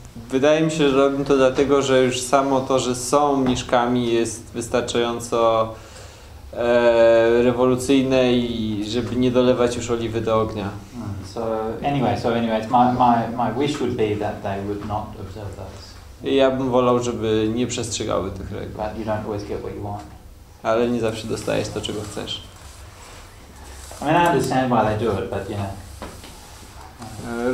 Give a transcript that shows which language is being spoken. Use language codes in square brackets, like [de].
[pl] Wydaje mi się, że robią to dlatego, że już samo to, że są mniszkami, jest wystarczająco rewolucyjne i żeby nie dolewać już oliwy do ognia. [en] So anyway, my wish would be that they would not observe those. [pl] Ja bym wolał, żeby nie przestrzegały tych reguł. [en] But you don't always get what you want. [pl] Ale nie zawsze dostajesz to, czego chcesz. [en] I mean, I understand why they do it, but you know.